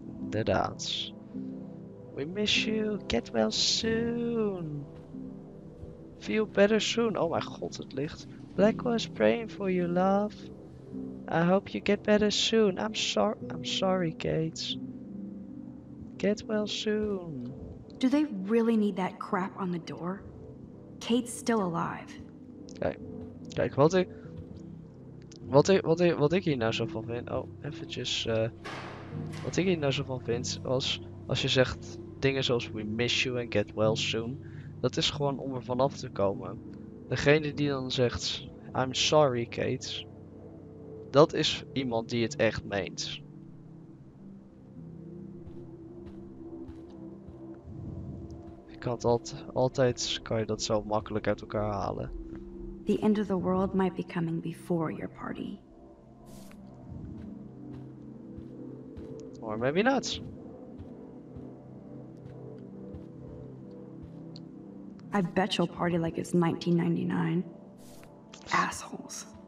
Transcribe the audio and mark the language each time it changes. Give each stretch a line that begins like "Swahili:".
English: The dance. We miss you. Get well soon. Feel better soon. Oh my god,
Dutch: het licht.
English: Blackwell is praying for you, love. I hope you get better soon. I'm sorry, Kate. Get well soon. Do they really need that crap on the door? Kate's still alive.
Dutch: Kijk, wat ik hier nou zo van vind. Oh, eventjes. Wat ik hier nou zo van vind, als je zegt dingen zoals
English: we miss you and get well soon.
Dutch: Dat is gewoon om er vanaf te komen. Degene die dan zegt,
English: I'm sorry, Kate.
Dutch: Dat is iemand die het echt meent. Ik kan het altijd kan je dat zo makkelijk uit elkaar halen.
English: The end of the world might be coming before your party. Or maybe not. I bet you'll party like it's 1999. Assholes.